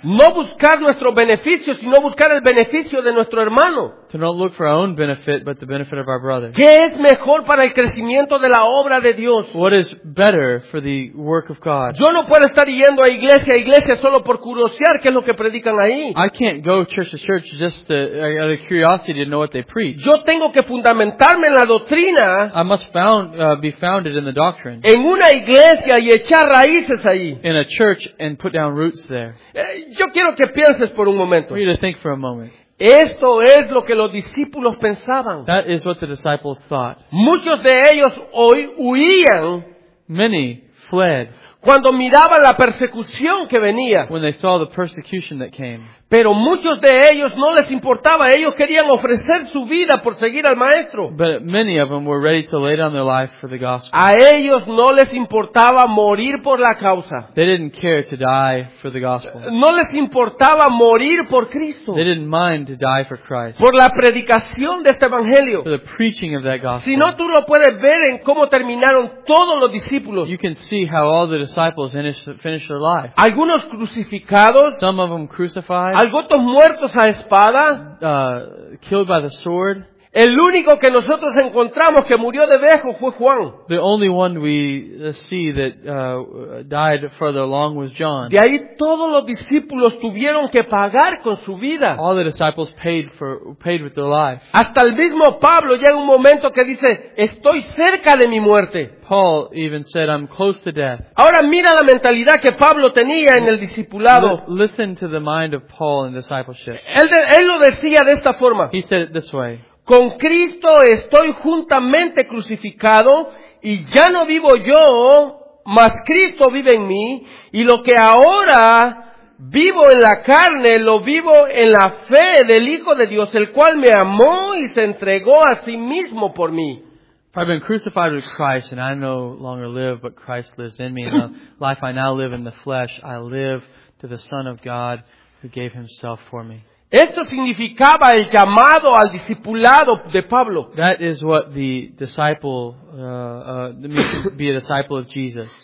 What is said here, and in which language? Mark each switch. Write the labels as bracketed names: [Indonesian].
[Spanish] No buscar nuestro beneficio, sino buscar el beneficio de nuestro hermano. [English] To not look for our own benefit, but the benefit of our brother. [Spanish] ¿Qué es mejor para el crecimiento de la obra de Dios? [English] What is better for the work of God? [Spanish] Yo no puedo estar yendo a iglesia solo por curiosear qué es lo que predican ahí. [English] I can't go church to church just to, out of curiosity to know what they preach. [Spanish] Yo tengo que fundamentarme en la doctrina. [English] I must be founded in the doctrine. [Spanish] En una iglesia y echar raíces ahí. [English] In a church and put down roots there. [Spanish] Yo quiero que pienses por un momento. [English] I want you to think for a moment. [Spanish] Esto es lo que los discípulos pensaban. [English] That is what the disciples thought. [Spanish] Muchos de ellos hoy huían. [English] Many fled. [Spanish] Cuando miraban la persecución que venía. [English] When they saw the persecution that came. [Spanish] Pero muchos de ellos no les importaba. Ellos querían ofrecer su vida por seguir al Maestro. [English] But many of them were ready to lay down their life for the gospel. [Spanish] A ellos no les importaba morir por la causa. [English] They didn't care to die for the gospel. [Spanish] No les importaba morir por Cristo. [English] They didn't mind to die for Christ. [Spanish] Por la predicación de este Evangelio. [English] For the preaching of that gospel. [Spanish] Si no, tú lo puedes ver en cómo terminaron todos los discípulos. [English] You can see how all the disciples finished their life. [Spanish] Algunos crucificados. [English] Some of them crucified. [Spanish] Algunos muertos a espada. [English] Killed by the sword. [Spanish] El único que nosotros encontramos que murió de viejo fue Juan. [English] The only one we see that died further along was John. [Spanish] De ahí todos los discípulos tuvieron que pagar con su vida. [English] All the disciples paid with their life. [Spanish] Hasta el mismo Pablo llega un momento que dice, estoy cerca de mi muerte. [English] Paul even said, I'm close to death. [Spanish] Ahora mira la mentalidad que Pablo tenía en el discipulado. [English] Listen to the mind of Paul in discipleship. [Spanish] Él lo decía de esta forma. [English] He said it this way. [Spanish] Con Cristo estoy juntamente crucificado y ya no vivo yo, mas Cristo vive en mí y lo que ahora vivo en la carne lo vivo en la fe del Hijo de Dios, el cual me amó y se entregó a sí mismo por mí. [English] I've been crucified with Christ and I no longer live, but Christ lives in me. And the life I now live in the flesh, I live to the Son of God who gave himself for me. [Spanish] Esto significaba el llamado al discipulado de Pablo. [English] That is what the disciple means to be a disciple of Jesus.